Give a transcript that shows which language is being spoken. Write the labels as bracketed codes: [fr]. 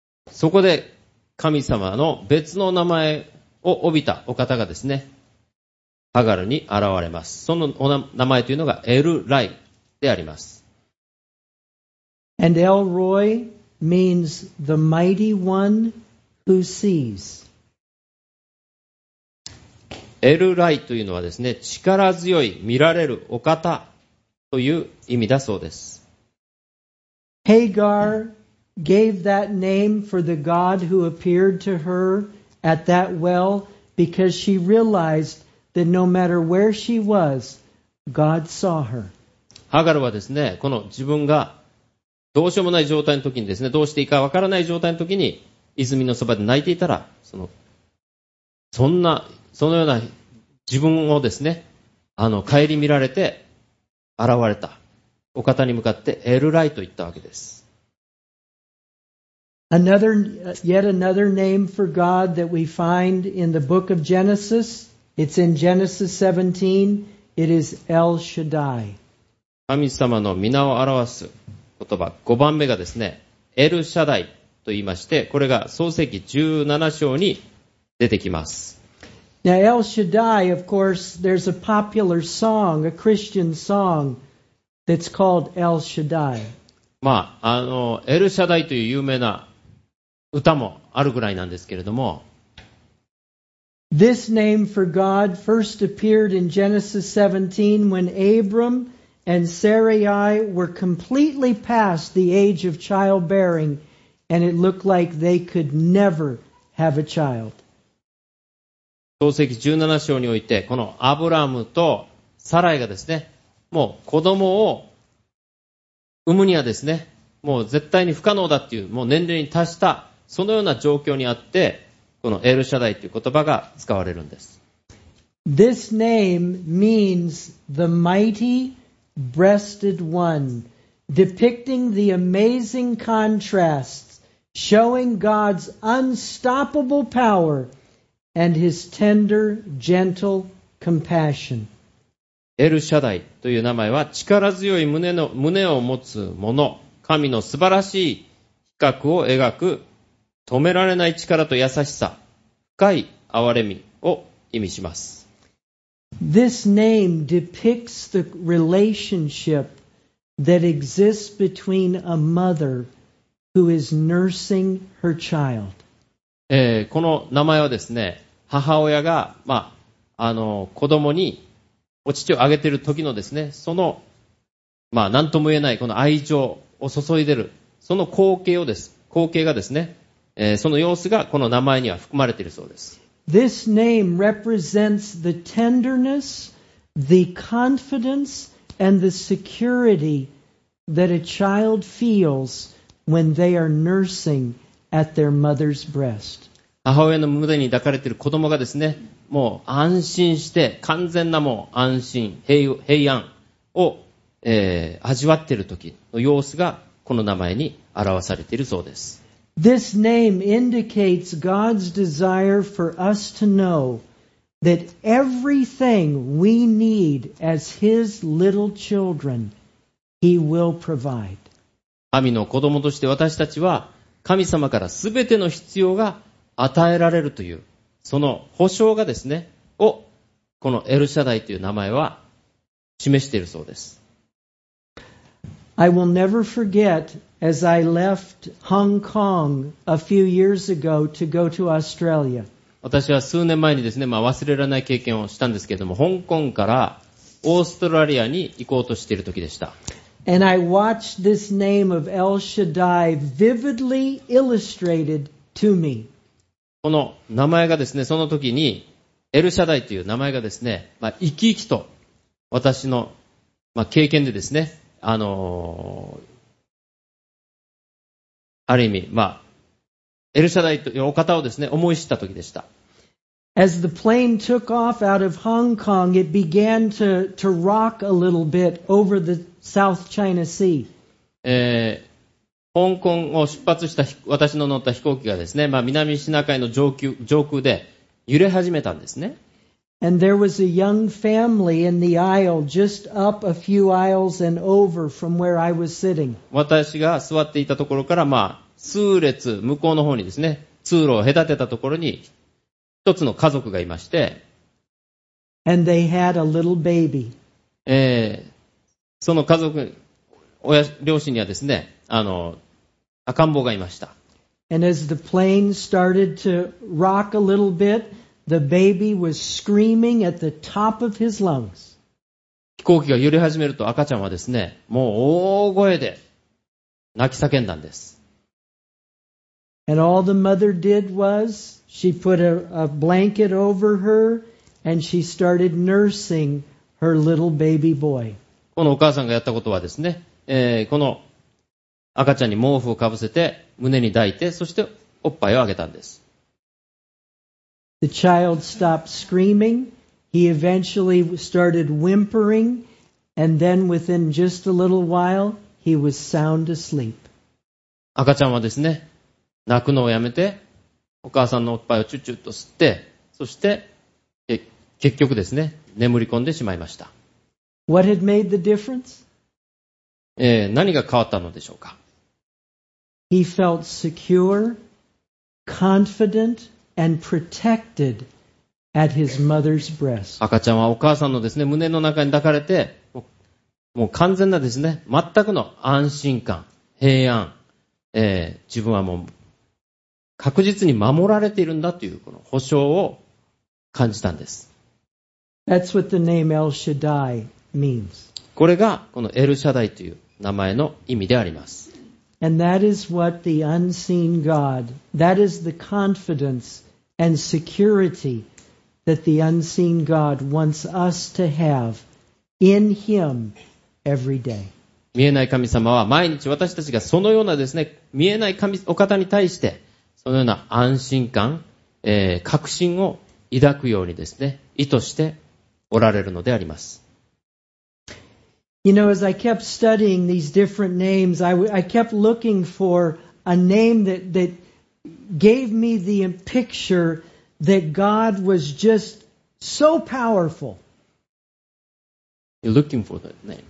[ja] そこで神様の別の名前を帯びたお方がですね、ハガルに現れます。その名前というのがエル・ライであります。 [en] And El-Roi means the mighty one. Who sees? [ja] エルライというのはですね、力強い見られるお方という意味だそうです。 [en] Hagar gave that name for the God who appeared to her at that well because she realized that no matter where she was, God saw her. [ja] ハガルはですね、この自分がどうしようもない状態の時にですね、どうしていいかわからない状態の時に泉のそばで泣いていたら、そのような自分をですね、顧みられて現れた。お方に向かってエルライと言ったわけです。 [en] Yet another name for God that we find in the book of Genesis. It's in Genesis 17. It is El Shaddai. [ja] 神様の皆を表す言葉、5番目がですね、エルシャダイと言いまして、これが創世記17章に出てきます。 [en] Now El Shaddai, of course, there's a popular song, a Christian song, that's called El Shaddai. [ja] まあ、エルシャダイという有名な歌もあるぐらいなんですけれども、 [en] This name for God first appeared in Genesis 17 when Abram and Sarai were completely past the age of childbearing and it looked like they could never have a child. [ja] 創世記17章においてこのアブラムとサライがですね、もう子供を産むにはですね、もう絶対に不可能だっていう、もう年齢に達したそのような状況にあって、このエルシャダイという言葉が使われるんです。 [en] This name means the mighty breasted one, depicting the amazing contrasts, showing God's unstoppable power and his tender, gentle compassion. [ja] エルシャダイという名前は力強い胸を持つ者、神の素晴らしい比較を描く止められない力と優しさ、深い憐れみを意味します。 [en] This name depicts the relationship that exists between a mother who is nursing her child. [ja] この名前はですね、母親が、まあ、子供にお乳をあげている時のですね、その、まあ、何とも言えないこの愛情を注いでる、その光景をです。光景がですね、その様子がこの名前には含まれているそうです。 [en] This name represents the tenderness, the confidence, and the security that a child feels when they are nursing at their mother's breast. [ja] 母親の胸に抱かれている子供がですね、もう安心して、完全なもう安心、平安を、味わっている時の様子がこの名前に表されているそうです。 [en] This name indicates God's desire for us to know that everything we need as His little children, He will provide. [ja] 神の子供として私たちは神様からすべての必要が与えられるというその保証がですね、をこのエルシャダイという名前は示しているそうです。 [en] I will never forget as I left Hong Kong a few years ago to go to Australia. [ja] 私は数年前にですね、まあ、忘れられない経験をしたんですけれども、香港からオーストラリアに行こうとしている時でした。 [en] And I watched this name of El Shaddai vividly illustrated to me. [ja] この名前がですね、その時にエルシャダイという名前がですね、まあ、生き生きと私の、まあ、経験でですね、ある意味、まあ、エルシャダイというお方をですね、思い知った時でした。 [en] As the plane took off out of Hong Kong, it began to rock a little bit over the South China Sea. [ja] 香港を出発した私の乗った飛行機がですね、まあ、南シナ海の上空で揺れ始めたんですね。 [en] And there was a young family in the aisle, just up a few aisles and over from where I was sitting. [ja] 私が座っていたところから、まあ、数列向こうの方にですね、通路を隔てたところに一つの家族がいまして。 [en] And they had a little baby. [ja] その家族、両親にはですね、赤ん坊がいました。 [en] And as the plane started to rock a little bit,The baby was screaming at the top of his lungs. [ja] 飛行機が揺れ始めると赤ちゃんはですね、もう大声で泣き叫んだんです。 [en] And all the mother did was she put a blanket over her and she started nursing her little baby boy. [ja] このお母さんがやったことはですね、この赤ちゃんに毛布をかぶせて胸に抱いて、そしておっぱいをあげたんです。 [en] The child stopped screaming. He eventually started whimpering, and then within just a little while, he was sound asleep. [ja] 赤ちゃんはですね、泣くのをやめて、お母さんのおっぱいをチュッチュッと吸って、そして結局ですね、眠り込んでしまいました。 [en] What had made the difference? [ja] 何が変わったのでしょうか。 [en] He felt secure, confident. And protected at his mother's breast. [ja] 赤ちゃんはお母さんのですね、胸の中に抱かれて、もう完全なですね、全くの安心感、平安、自分はもう確実に守られているんだというこの保証を感じたんです。 [en] That's what the name El Shaddai means. [ja] これがこのエルシャダイという名前の意味であります。 [en] And that is what the unseen God, that is the confidence and security that the unseen God wants us to have in Him every day. [ja] 見えない神様は毎日私たちがそのようなですね、見えない神お方に対してそのような安心感、確信を抱くようにですね、意図しておられるのであります。 [en] You know, as I kept studying these different names, I kept looking for a name that gave me the picture that God was just so powerful. You're looking for that name.